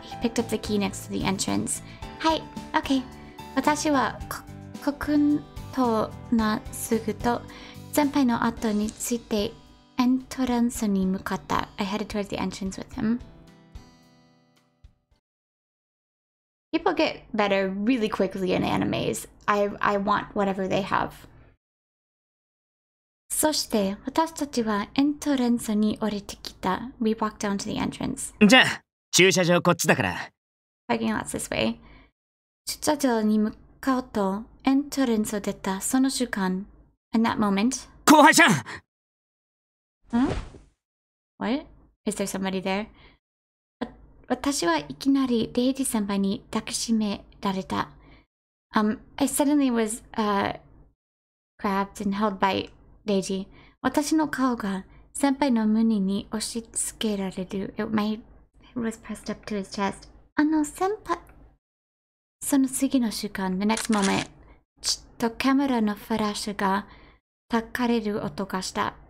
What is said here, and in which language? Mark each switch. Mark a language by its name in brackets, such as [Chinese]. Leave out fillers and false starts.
[English] He picked up the key next to the entrance. はい、okay. [Japanese] 私は、ここんとなすぐと、先輩の後について、エントランスに向かった。 [English] I headed towards the entrance with him. People get better really quickly in animes. I want whatever they have. [Japanese] そして、私たちはエントランスに降りてきた。 [English] We walked down to the entrance. [Japanese] じゃあ、駐車場こっちだから。 [English] Parking lots this way. [Japanese] 駐車場に向かうと、エントランスを出たその瞬間。 [English] In that moment. [Japanese] 後輩ちゃん！ [English] ん？What? Is there somebody there? [Japanese] 私はいきなりレイジ先輩に抱きしめられた。 [English] I suddenly was, grabbed and held by Reiji. [Japanese] 私の顔が先輩の胸に押し付けられる。 [English] It was pressed up to his chest. [Japanese] 先輩、その次の瞬間、 [English] the next moment, [Japanese] ちょっとカメラのフラッシュがたかれる音がした。